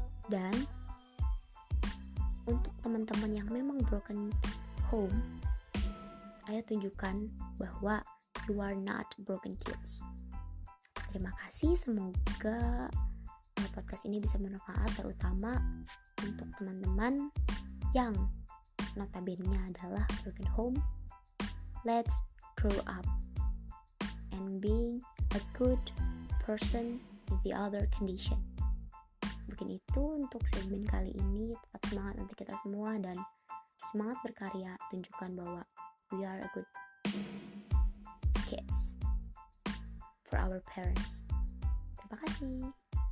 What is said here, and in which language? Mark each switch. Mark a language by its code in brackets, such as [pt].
[id] Dan untuk teman-teman yang memang broken home, ayo tunjukkan bahwa [en] you are not broken kids. [id] Terima kasih, semoga podcast ini bisa bermanfaat, terutama untuk teman-teman yang notabene-nya adalah broken home. [en] Let's grow up and being a good person with the other condition. [id] Mungkin itu untuk segmen kali ini. Tetap semangat untuk kita semua dan semangat berkarya, tunjukkan bahwa [en] we are a good kids for our parents. [id] Terima kasih.